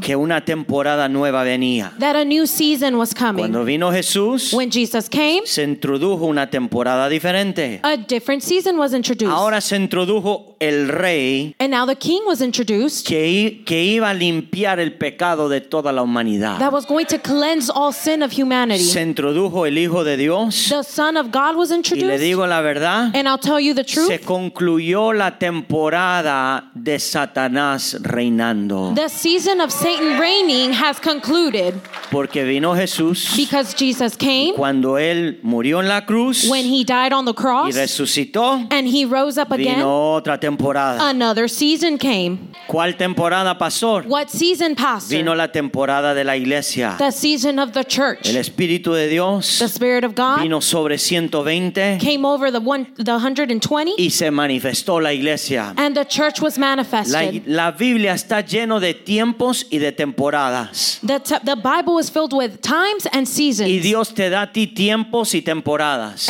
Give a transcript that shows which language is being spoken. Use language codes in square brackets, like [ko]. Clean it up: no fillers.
[es] que una temporada nueva venía, [en] that a new season was coming. [es] Cuando vino Jesús, [en] when Jesus came, [es] se introdujo una temporada diferente, [en] a different season was introduced. [es] Ahora se introdujo el rey, [en] and now the king was introduced, [es] que iba a limpiar el pecado de toda la humanidad, [en] that was going to cleanse all sin of humanity. [es] Se introdujo el Hijo de Dios, [en] the Son of God was introduced. [es] Y le digo la verdad, [en] and I'll tell you the truth, [es] se concluyó la temporada de Satanás reinando. [en] The season of Satan reigning has concluded. [es] Porque vino Jesús, [en] because Jesus came, [es] cuando él murió en la cruz, [en] when he died on the cross, [es] y resucitó, [en] and he rose up again, [es] vino otra temporada. [en] Another season came. [es] ¿Cuál temporada pasó? [en] What season passed? [es] Vino la temporada de la iglesia. [en] The season of the church. [es] El Espíritu de Dios, [en] the Spirit of God, [es] vino sobre 120, [en] came over the 120, [es] y se manifestó la iglesia, [en] and the church was manifested. [es] La Biblia está lleno de tiempos y de temporadas. [en] The Bible is filled with times and seasons. [es] Y Dios te da a ti tiempos y temporadas.